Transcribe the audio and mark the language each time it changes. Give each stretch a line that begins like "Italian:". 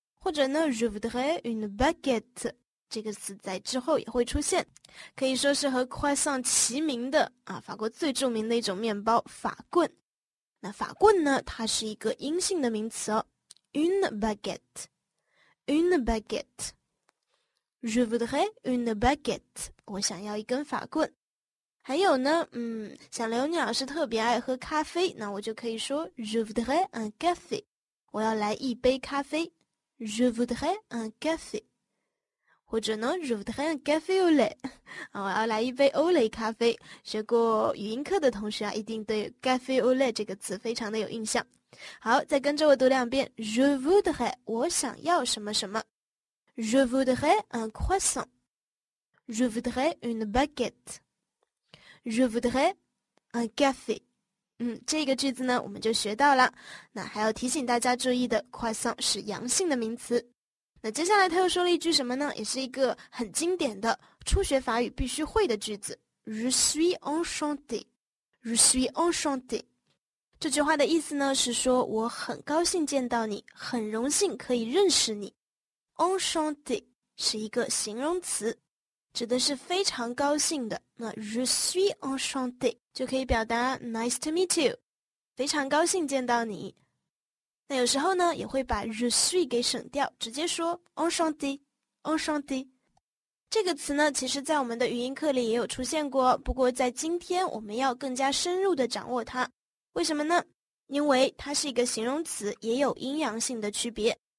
Chinese: 或者呢
French: Je voudrais une baguette,
Chinese: 这个词在之后也会出现。可以说是和 croissant 齐名的啊，法国最著名的一种面包，法棍。那法棍呢，它是一个阴性的名词哦。
French: Une baguette. Une baguette. Je voudrais une baguette.
Chinese: 我想要一根法棍。还有呢，像刘妮老师特别爱喝咖啡，那我就可以说
French: Je voudrais un café.
Chinese: 我要来一杯咖啡。
French: Je voudrais un café.
Chinese: 或者呢
French: Je voudrais un café au lait.
Chinese: 我要来一杯欧蕾咖啡。学过语音课的同学啊，一定对 café au lait 这个词非常的有印象。好，再跟着我读两遍。
French: Je voudrais,
Chinese: 我想要什么什么。
French: Je voudrais un croissant. Je voudrais une baguette. Je voudrais un café.
Chinese: 这个句子呢我们就学到了。那还要提醒大家注意的， croissant 是阳性的名词。那接下来他又说了一句什么呢？也是一个很经典的初学法语必须会的句子。
French: Je suis enchanté. Je suis enchanté.
Chinese: 这句话的意思呢，是说我很高兴见到你，很荣幸可以认识你。 Enchanté 是一个形容词，指的是非常高兴的。那
French: Je suis enchanté
Chinese: 就可以表达
English: Nice to meet you，
Chinese: 非常高兴见到你。那有时候呢也会把
French: je suis
Chinese: 给省掉，直接说 enchanté, enchanté。这个词呢其实在我们的语音课里也有出现过，不过在今天我们要更加深入地掌握它。为什么呢？因为它是一个形容词，也有阴阳性的区别。